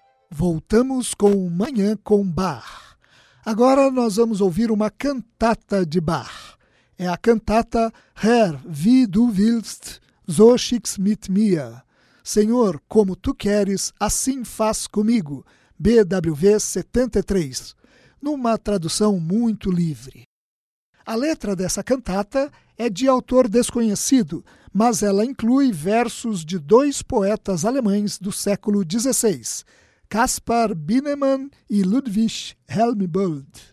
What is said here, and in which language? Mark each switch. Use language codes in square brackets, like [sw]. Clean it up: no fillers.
[pt] Voltamos com Manhã com Bar. Agora nós vamos ouvir uma cantata de bar. É a cantata [de] Herr, wie du willst, so schickst mit mir. [pt] Senhor, como tu queres, assim faz comigo. BWV 73. Numa tradução muito livre. A letra dessa cantata é de autor desconhecido, mas ela inclui versos de dois poetas alemães do século XVI, Caspar Bienemann e Ludwig Helmbold.